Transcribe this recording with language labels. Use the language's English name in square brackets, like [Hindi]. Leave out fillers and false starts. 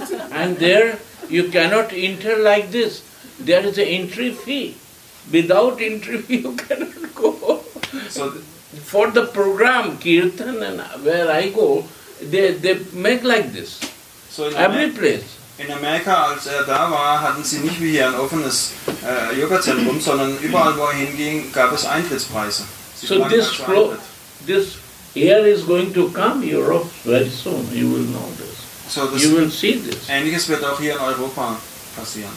[English] And there, you cannot enter like this. There is an entry fee. Without entry fee, you cannot go. So, for the program, Kirtan, and where I go, they make like this. So every place. [German] In Amerika, als er da war, hatten sie nicht wie hier ein offenes Yoga-Zentrum, sondern überall, wo er hinging, gab es Eintrittspreise. [English] So this air is going to come Europe very soon. You will know this. So this. You will see this. [German] Ähnliches wird auch hier in Europa passieren.